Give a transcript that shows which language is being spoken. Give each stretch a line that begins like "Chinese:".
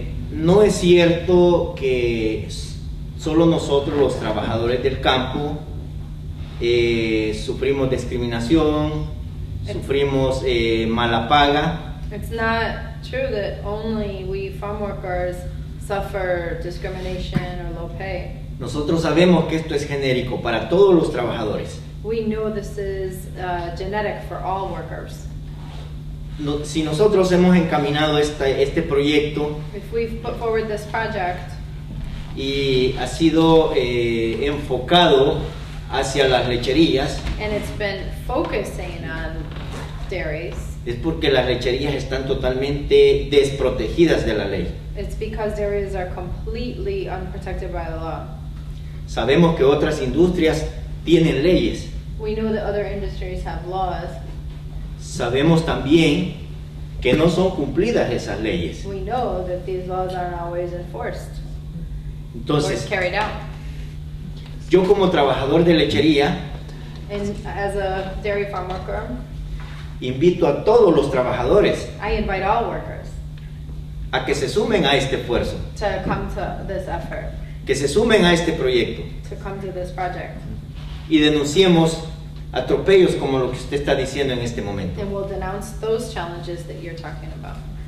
Spanish: No es cierto que solo nosotros, los trabajadores del campo, sufrimos discriminación, sufrimos mala paga.
English: It's not true that only we farm workers suffer discrimination or low pay.
Spanish: Nosotros sabemos que esto es genérico para todos los trabajadores.
English: We know this is genetic for all workers.
Spanish: No, si nosotros hemos encaminado este proyecto,
English: if we've put forward this project,
Spanish: y ha sido enfocado hacia las lecherías,
English: and it's been focusing on dairies,
Spanish: es porque las lecherías están totalmente desprotegidas de la ley.
English: It's because dairies are completely unprotected by the law.
Spanish: Sabemos que otras industrias tienen leyes.
English: We know that other industries have laws.
Spanish: Sabemos también que no son cumplidas esas leyes.
English: We know that these laws aren't always enforced.
Spanish: Entonces, or
English: carried out.
Spanish: Yo como trabajador de lechería,
English: and as a dairy farm worker,
Spanish: invito a todos los trabajadores,
English: I invite all workers,
Spanish: a que se sumen a este esfuerzo,
English: to come to this effort,
Spanish: que se sumen a este proyecto,
English: to come to this project,
Spanish: y denunciemos atropellos como lo que usted está diciendo en este momento.
English: And we'll denounce those challenges that you're talking about.